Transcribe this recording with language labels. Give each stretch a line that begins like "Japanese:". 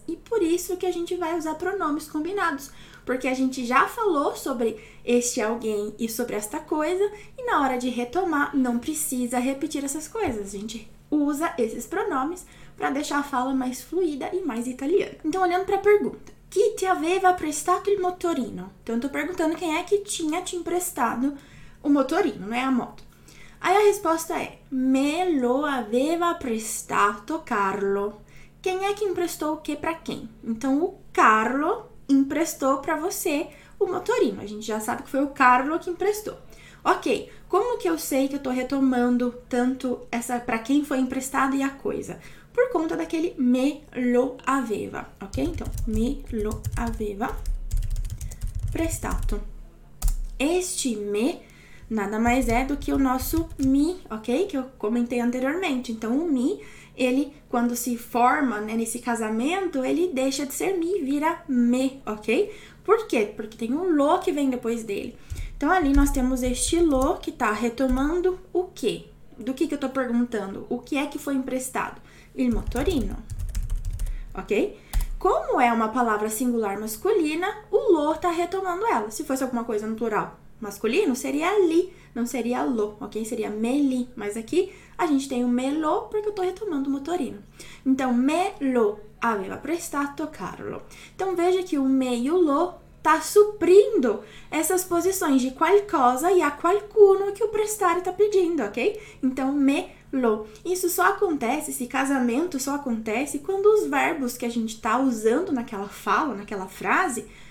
Portuguese: E por isso que a gente vai usar pronomes combinados, porque a gente já falou sobre este alguém e sobre esta coisa, e na hora de retomar, não precisa repetir essas coisas. A gente usa esses pronomes para deixar a fala mais fluida e mais italiana. Então, olhando para a pergunta:
Italian: Chi ti aveva prestato il motorino?
Portuguese: Então, eu estou perguntando quem é que tinha te emprestado o motorino, não é a moto. Aí a resposta é:
Italian: Me lo aveva prestato Carlo.
Portuguese: Quem é que emprestou o quê para quem? Então, o Carlo emprestou para você o motorino. A gente já sabe que foi o Carlo que emprestou. Ok, como que eu sei que eu estou retomando tanto essa para quem foi emprestado e a coisa? Por conta daquele
Italian: me lo aveva,
Portuguese: ok?
Italian: Então, me lo aveva prestato.
Portuguese: Este me nada mais é do que o nosso mi, ok? Que eu comentei anteriormente. Então, o mi, ele, quando se forma, né, nesse casamento, ele deixa de ser mi, vira me, ok? Por quê? Porque tem um lo que vem depois dele. Então, ali nós temos este lo que está retomando o quê? Do que eu estou perguntando? O que é que foi emprestado? Il motorino, ok? Como é uma palavra singular masculina, o lo está retomando ela. Se fosse alguma coisa no plural masculino, seria li, não seria lo, ok? Seria meli. Mas aqui a gente tem o melo porque eu estou retomando o motorino.
Italian: Então, me lo aveva prestato Carlo.
Portuguese: Então, veja que o me e o lo está suprindo essas posições de qualcosa e a qualcuno que o prestare está pedindo, ok? Então, me lo. Isso só acontece, esse casamento só acontece quando os verbos que a gente está usando naquela fala, naquela frase,